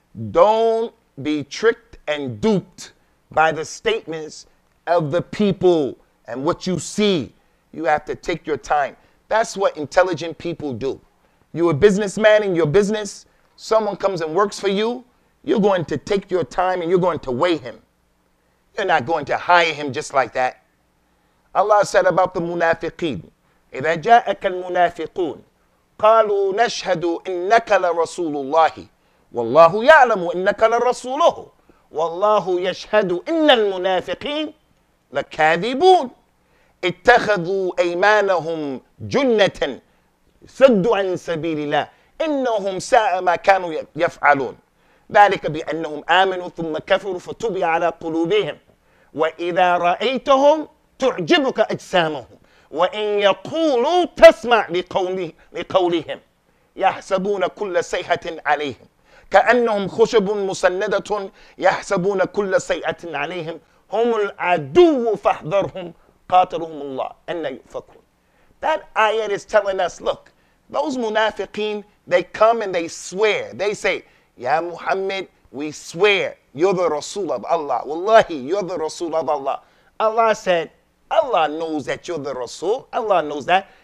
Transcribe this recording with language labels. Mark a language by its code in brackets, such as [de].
[en] Don't be tricked and duped by the statements of the people and what you see. You have to take your time. That's what intelligent people do. You're a businessman in your business. Someone comes and works for you. You're going to take your time and you're going to weigh him. You're not going to hire him just like that. Allah said about the munafiqeen, [ar] إِذَا جَاءَكَ الْمُنَافِقُونَ قَالُوا نَشْهَدُ إِنَّكَ لَرَسُولُ اللَّهِ وَاللَّهُ يَعْلَمُ إِنَّكَ لَرَسُولُهُ وَاللَّهُ يَشْهَدُ إِنَّ الْمُنَافِقِينَ لَكَاذِبُونَ اتَّخَذُوا أَيْمَانَهُمْ جُنَّةً سَدُّوا عَنْ سَبِيلِ اللَّهِ إِنَّهُمْ سَاءَ مَا كَانُوا يَفْعَلُونَ ذلك بأنهم آمنوا ثم كفروا فتبع على قلوبهم وإذا رأيتهم تعجبك أجسامهم وإن يقولوا تسمع لقولهم يحسبون كل صيحة عليهم كأنهم خشب مسندة يحسبون كل صيحة عليهم هم العدو فاحذرهم قاتلهم الله أن يؤفكون. [en] That ayah is telling us, look, those munafiqeen, they come and they swear. They say, Ya Muhammad, we swear, you're the Rasul of Allah. Wallahi, you're the Rasul of Allah. Allah said, Allah knows that you're the Rasul. Allah knows that.